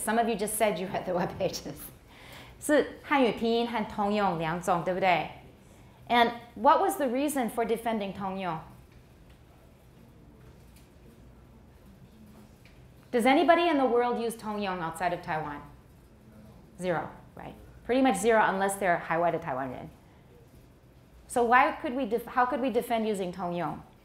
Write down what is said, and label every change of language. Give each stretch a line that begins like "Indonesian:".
English: Some of you just said you read the web pages.
Chinese: 是汉语拼音和通用两种，对不对?
English: And what was the reason for defending Tongyong? Does anybody in the world use Tongyong outside of Taiwan? Zero, right? Pretty much zero unless they're
Chinese: Haiwai to Taiwan Ren.
English: So why could we how could we defend using Tongyong?